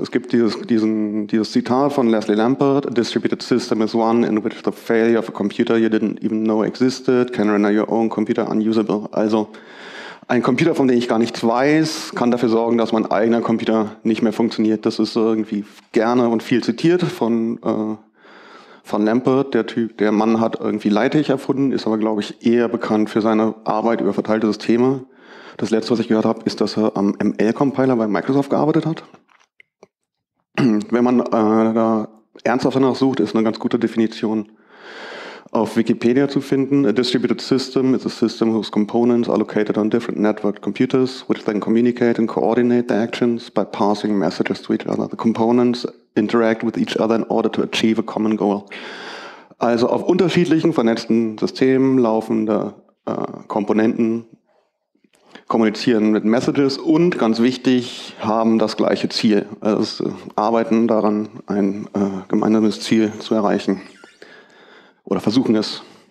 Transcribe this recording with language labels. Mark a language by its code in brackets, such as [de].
[de] Es gibt dieses Zitat von Leslie Lampert: [en] A distributed system is one in which the failure of a computer you didn't even know existed can render your own computer unusable. [de] Also ein Computer, von dem ich gar nichts weiß, kann dafür sorgen, dass mein eigener Computer nicht mehr funktioniert. Das ist irgendwie gerne und viel zitiert von Lampert, der Typ, der Mann hat irgendwie Leitig erfunden, ist aber, glaube ich, eher bekannt für seine Arbeit über verteilte Systeme. Das Letzte, was ich gehört habe, ist, dass er am ML-Compiler bei Microsoft gearbeitet hat. Wenn man da ernsthaft danach sucht, ist eine ganz gute Definition auf Wikipedia zu finden. [en] A distributed system is a system whose components are located on different network computers, which then communicate and coordinate their actions by passing messages to each other. The components interact with each other in order to achieve a common goal. [de] Also auf unterschiedlichen vernetzten Systemen laufende Komponenten kommunizieren mit Messages und, ganz wichtig, haben das gleiche Ziel. Also arbeiten daran, ein gemeinsames Ziel zu erreichen. Oder versuchen es.